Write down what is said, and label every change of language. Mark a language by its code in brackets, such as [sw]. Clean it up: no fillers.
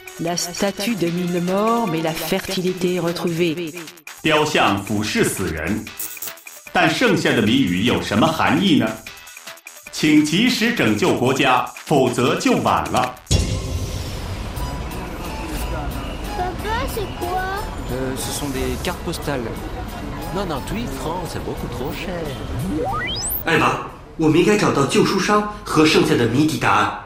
[fr] La statue domine mort, mais la fertilité retrouvée。 [zh] 雕像俯视死人，但剩下的谜语有什么含义呢？请及时拯救国家，否则就晚了。 [fr] Papa, c'est quoi? Ce sont des cartes postales. Non, non, tu y prends, c'est beaucoup trop cher. [zh] 艾玛，我们应该找到旧书商和剩下的谜底答案。